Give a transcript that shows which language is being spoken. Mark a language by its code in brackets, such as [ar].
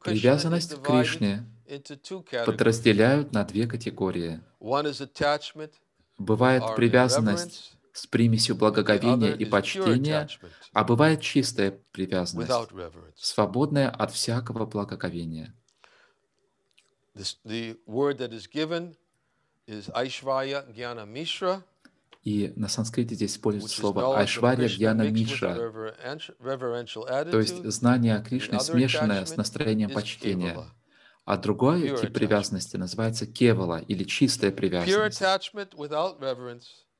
[ru] Привязанность к Кришне подразделяют на две категории. [en] One is attachment. [ru] Бывает привязанность с примесью благоговения и почтения, а бывает чистая привязанность, свободная от всякого благоговения. [en] The word that is given is Aishvarya Gyana Mishra. [ru] И на санскрите здесь используется слово Aishvarya Gyana Mishra, то есть знание о Кришне, смешанное с настроением почтения. А другой тип привязанности называется кевала, или чистая привязанность.